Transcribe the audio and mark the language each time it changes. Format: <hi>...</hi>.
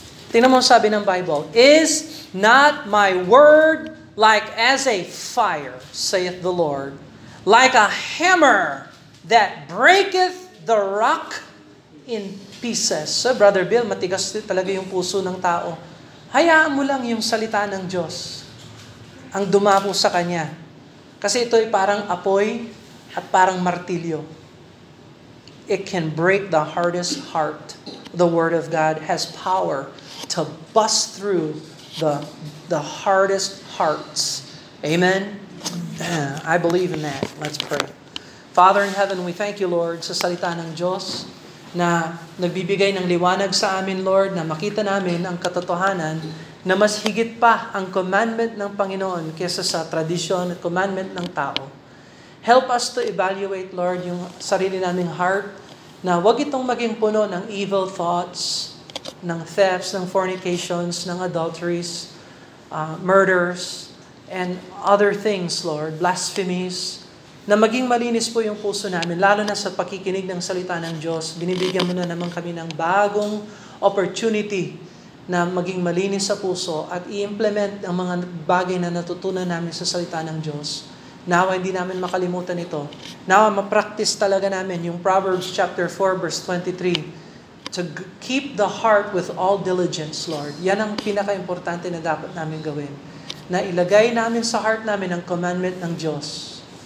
<tl>Tingnan mo ang sabi ng Bible,</tl> <en>"Is not my word like as a fire, saith the Lord, like a hammer that breaketh the rock in pieces."</en> <tl>So, Brother Bill, matigas talaga yung puso ng tao. Hayaan mo lang yung salita ng Diyos ang dumapo sa kanya. Kasi ito ay parang apoy at parang martilyo.</tl> <en>It can break the hardest heart. The word of God has power to bust through the hardest hearts. Amen? I believe in that. Let's pray. Father in heaven, we thank you, Lord,</en> <tl>sa salita ng Diyos na nagbibigay ng liwanag sa amin, Lord, na makita namin ang katotohanan na mas higit pa ang commandment ng Panginoon kesa sa tradisyon at commandment ng tao.</tl> <en>Help us to evaluate,</en> <tl>Lord, yung sarili naming heart na huwag itong maging puno ng evil thoughts, ng thefts, ng fornications, ng adulteries, murders, and other things, Lord, blasphemies, na maging malinis po yung puso namin, lalo na sa pakikinig ng salita ng Diyos. Binibigyan mo na naman kami ng bagong opportunity na maging malinis sa puso at i-implement ang mga bagay na natutunan namin sa salita ng Diyos. Nawa hindi namin makalimutan ito. Nawa ma-practice talaga namin yung Proverbs chapter 4 verse 23.</tl> <en>To keep the heart with all diligence, Lord.</en> <tl>Yan ang pinaka-importante na dapat namin gawin. Na ilagay namin sa heart namin ang commandment ng Diyos.</tl>